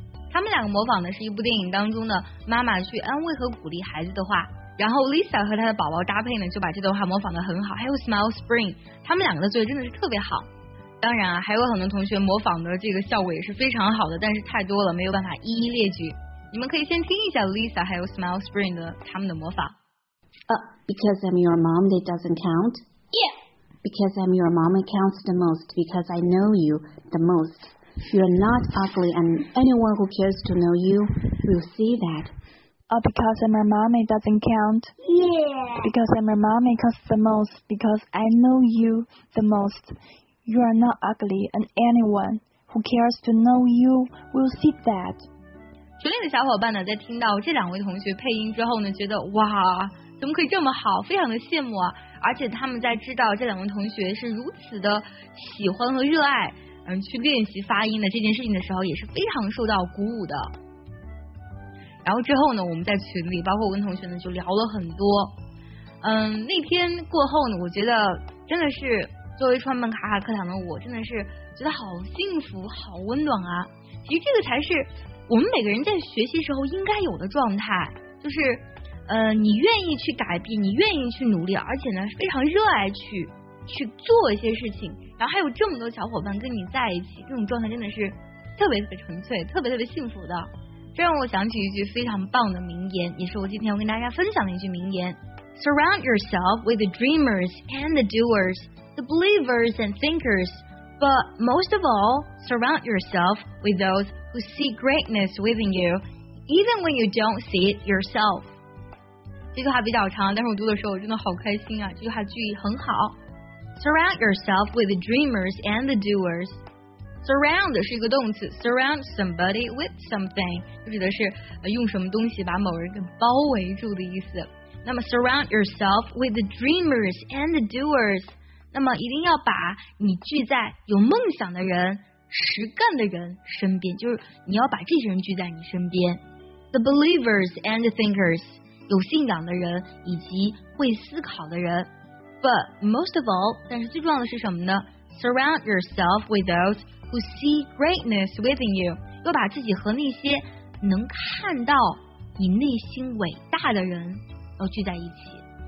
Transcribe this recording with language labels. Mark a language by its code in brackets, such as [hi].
[zh] 他们两个模仿的是一部电影当中的妈妈去安慰和鼓励孩子的话，然后 Lisa 和她的宝宝搭配呢，就把这段话模仿得很好。还有 Smile Spring， 他们两个的作业真的是特别好。当然啊，还有很多同学模仿的这个效果也是非常好的，但是太多了，没有办法一一列举。你们可以先听一下 Lisa 还有 Smile Spring 的他们的模仿。 [en] Because I'm your mom, it doesn't count. Yeah. Because I'm your mom, it counts the most. Because I know you the most. You're not ugly, and anyone who cares to know you will see that. Because I'm your mom, it doesn't count. Yeah. Because I'm your mom, it counts the most. Because I know you the most. You are not ugly, and anyone who cares to know you will see that. [zh] 群里的小伙伴呢，在听到这两位同学配音之后呢，觉得哇，怎么可以这么好，非常的羡慕啊！而且他们在知道这两位同学是如此的喜欢和热爱，去练习发音的这件事情的时候，也是非常受到鼓舞的。然后之后呢，我们在群里，包括我跟同学呢，就聊了很多。那天过后呢，我觉得真的是。作为创办卡卡课堂的我，真的是觉得好幸福好温暖啊。其实这个才是我们每个人在学习时候应该有的状态，就是你愿意去改变，你愿意去努力，而且呢非常热爱去做一些事情，然后还有这么多小伙伴跟你在一起，这种状态真的是特别特别纯粹，特别特别幸福的。这让我想起一句非常棒的名言，也是我今天要跟大家分享的一句名言。 [en] Surround yourself with the dreamers and the doersThe believers and thinkers, but most of all, surround yourself with those who see greatness within you, even when you don't see it yourself. [zh] 这句话比较长，但是我读的时候我真的好开心啊！这句话句意很好。 [en] Surround yourself with the dreamers and the doers. [zh] Surround 是一个动词 ， [en] surround somebody with something [zh] 就指的是用什么东西把某人给包围住的意思。 [en] 那么 surround yourself with the dreamers and the doers. [zh] 那么一定要把你聚在有梦想的人、实干的人身边，就是你要把这些人聚在你身边。 [en] The believers and the thinkers， [zh] 有信仰的人以及会思考的人。 [en] But most of all， [zh] 但是最重要的是什么呢 ？ [en] Surround yourself with those who see greatness within you， [zh] 要把自己和那些能看到你内心伟大的人要聚在一起。